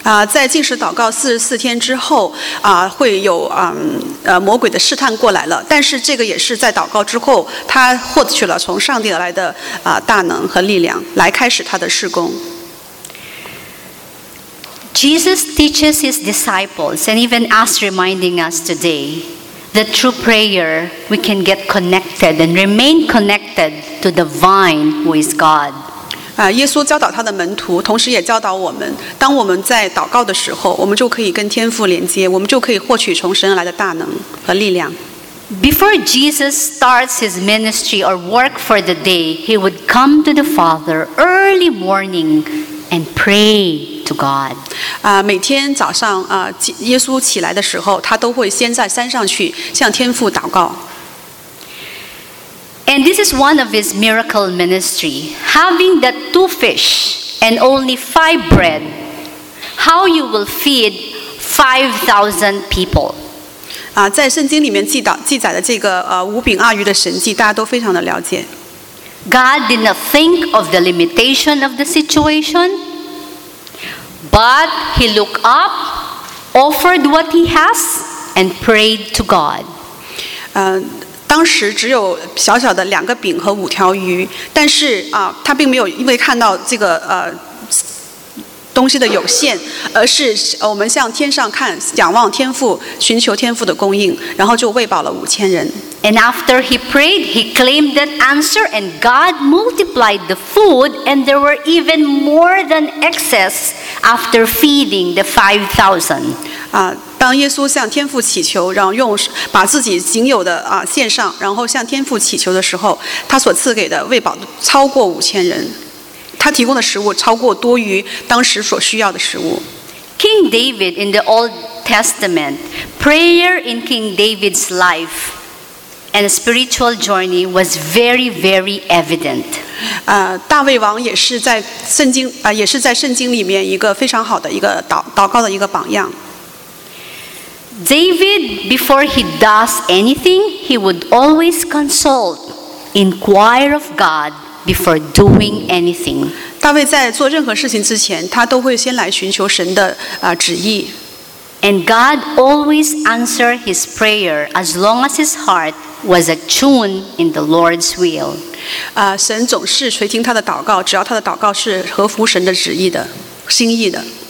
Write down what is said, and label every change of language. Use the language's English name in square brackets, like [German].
[Chinese] 在禁食祷告44天之后会有魔鬼的试探过来了，但是这个也是在祷告之后他获取了从上帝而来的大能和力量来开始他的事工。 [English] Jesus teaches his disciples and even us, reminding us today that through prayer we can get connected and remain connected to the vine who is God. [Chinese] 耶稣教导他的门徒，同时也教导我们，当我们在祷告的时候，我们就可以跟天父连接，我们就可以获取从神来的大能和力量。 [English] Before Jesus starts his ministry or work for the day, he would come to the Father early morning and pray to God. [Chinese] 每天早上，耶稣起来的时候，他都会先在山上去向天父祷告。 [English] And this is one of his miracle ministry. Having the two fish and only five bread, how you will feed 5,000 people. [Chinese] 在圣经里面记载的这个五饼二鱼的神迹，大家都非常的了解。 [English] God did not think of the limitation of the situation, but he looked up, offered what he has, and prayed to God. [Chinese] 当时只有小小的两个饼和五条鱼，但是他并没有因为看到这个东西的有限，而是我们向天上看，仰望天父，寻求天父的供应，然后就喂饱了五千人。 [English] And after he prayed, he claimed that answer, and God multiplied the food, and there were even more than excess after feeding the 5,000. [Chinese] 当耶稣向天父祈求，然后用把自己仅有的献上，然后向天父祈求的时候，他所赐给的喂饱超过五千人。他提供的食物超过多于当时所需要的食物。 [English] King David in the Old Testament, prayer in King David's life and spiritual journey was very, very evident. [Chinese] 大卫王也是在圣经也是在圣经里面一个非常好的一个祷告的一个榜样。 [English] David, before he does anything, he would always consult, inquire of God. Before doing anything, [Chinese] 大卫在做任何事情之前，他都会先来寻求神的旨意。 [English] And God always answered his prayer as long as his heart was attuned in the Lord's will. [Chinese] 神总是垂听他的祷告，只要他的祷告是合乎神的旨意的心意的。